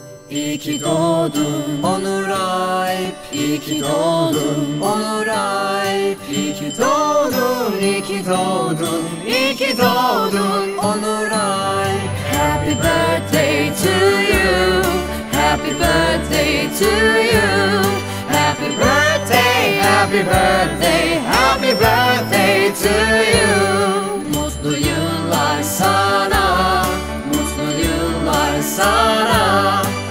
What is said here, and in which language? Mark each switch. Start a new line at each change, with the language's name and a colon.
Turkish: İyi ki doğdun Onur Alp, iyi ki doğdun Onur Alp, iyi ki doğdun, iyi ki doğdun, iyi ki doğdun Onur Alp.
English: Happy birthday to you, happy birthday to you, happy birthday, happy birthday, happy birthday to you.
Turkish: Mutlu yıllar sana, mutlu yıllar sana.